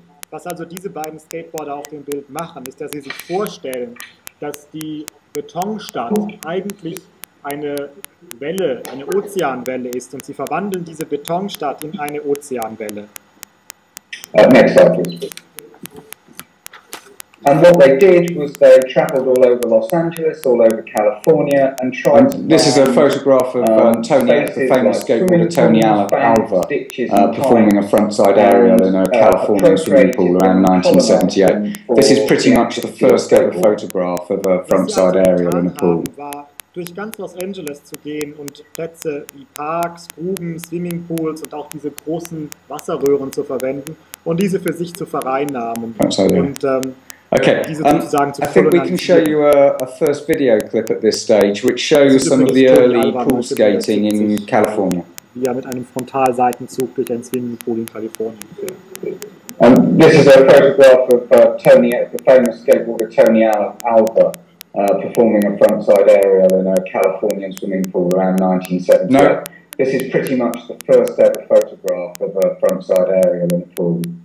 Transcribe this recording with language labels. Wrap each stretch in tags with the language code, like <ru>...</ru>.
<de>Was also diese beiden Skateboarder auf dem Bild machen, ist, dass sie sich vorstellen, dass die Betonstadt eigentlich eine Welle, eine Ozeanwelle ist, und sie verwandeln diese Betonstadt in eine Ozeanwelle.</de> <en>Next slide, please. And what they did was they traveled all over Los Angeles, all over California, and tried. And this is a photograph of Tony, the famous skateboarder Tony Alva, performing a frontside aerial in a California swimming pool around 1978. This is pretty much the first ever photograph of a frontside aerial in a pool.</en> <de>Durch ganz Los Angeles zu gehen und Plätze wie Parks, Gruben, Swimmingpools und auch diese großen Wasserröhren zu verwenden und diese für sich zu vereinnahmen.</de> <en>Okay, I think we can show you a first video clip at this stage, which shows some of the early pool skating in California.</en> <de>Wie er mit einem Frontalseitenzug durch ein Swimmingpool in Kalifornien fährt.</de> <en>This is a photograph of Tony, the famous skateboarder Tony Alva. Performing a frontside aerial in a Californian swimming pool around 1970. No. This is pretty much the first ever photograph of a frontside aerial in a pool.</en>